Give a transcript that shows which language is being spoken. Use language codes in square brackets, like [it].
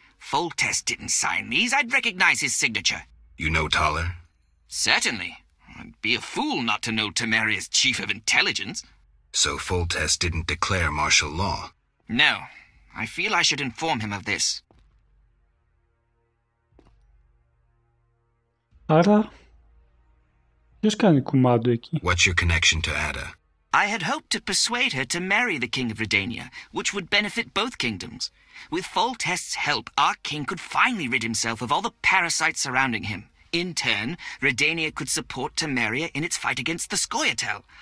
[en] Foltes didn't sign these. I'd recognize his signature. You know Taller? Certainly. I'd be a fool not to know Temeria's chief of intelligence. So Foltes didn't declare martial law? No. I feel I should inform him of this. [el] Άρα, ποιος κάνει κουμάντο εκεί? [en] What's your connection to Ada? I had hoped to persuade her to marry the King of Redania, which would benefit both kingdoms. With Foltest's help, our king could finally rid himself of all the parasites surrounding him. In turn, Redania could support Temeria in its fight against the Scoia'tael.